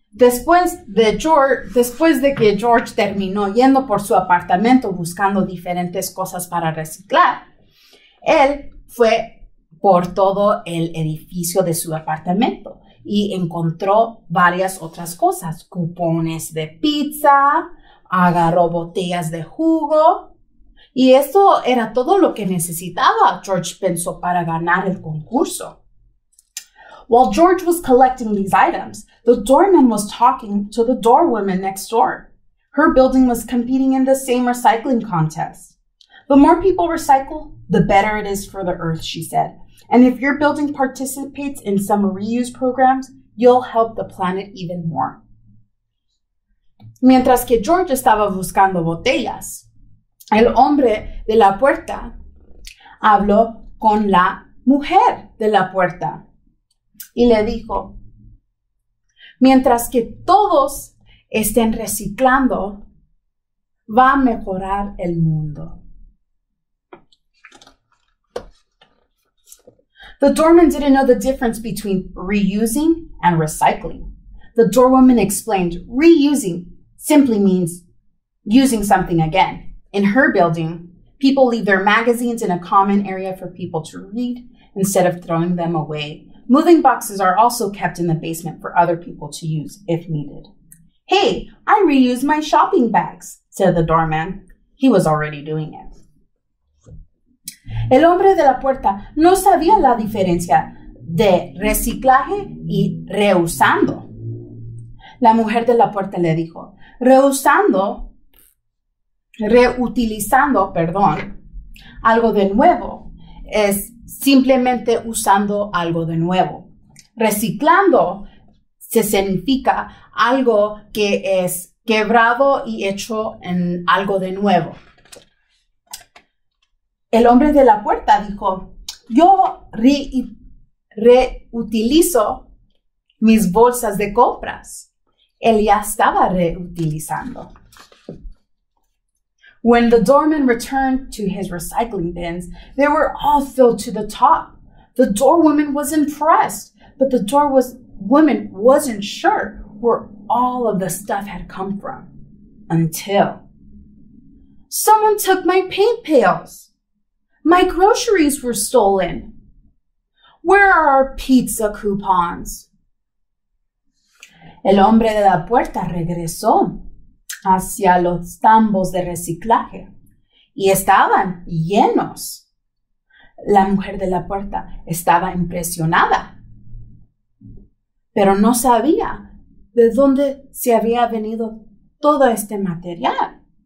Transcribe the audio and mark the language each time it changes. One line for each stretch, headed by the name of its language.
Spanish: Después de que George terminó yendo por su apartamento buscando diferentes cosas para reciclar, él fue por todo el edificio de su apartamento y encontró varias otras cosas, cupones de pizza, agarró botellas de jugo. Y eso era todo lo que necesitaba, George pensó, para ganar el concurso.
English: While George was collecting these items, the doorman was talking to the doorwoman next door. Her building was competing in the same recycling contest. The more people recycle, the better it is for the earth, she said. And if your building participates in some reuse programs, you'll help the planet even more.
Spanish: Mientras que George estaba buscando botellas, el hombre de la puerta habló con la mujer de la puerta y le dijo, mientras que todos estén reciclando, va a mejorar el mundo.
English: The doorman didn't know the difference between reusing and recycling. The doorwoman explained, reusing simply means using something again. In her building, people leave their magazines in a common area for people to read instead of throwing them away. Moving boxes are also kept in the basement for other people to use if needed. Hey, I reuse my shopping bags, said the doorman. He was already doing it.
Spanish: El hombre de la puerta no sabía la diferencia de reciclaje y reusando. La mujer de la puerta le dijo, reutilizando, algo de nuevo es simplemente usando algo de nuevo. Reciclando se significa algo que es quebrado y hecho en algo de nuevo. El hombre de la puerta dijo, yo reutilizo mis bolsas de compras. Él ya estaba reutilizando.
English: When the doorman returned to his recycling bins, they were all filled to the top. The doorwoman was impressed, but the doorwoman wasn't sure where all of the stuff had come from. Until, someone took my paint pails. My groceries were stolen. Where are our pizza coupons?
Spanish: El hombre de la puerta regresó hacia los tambos de reciclaje y estaban llenos. La mujer de la puerta estaba impresionada, pero no sabía de dónde se había venido todo este material.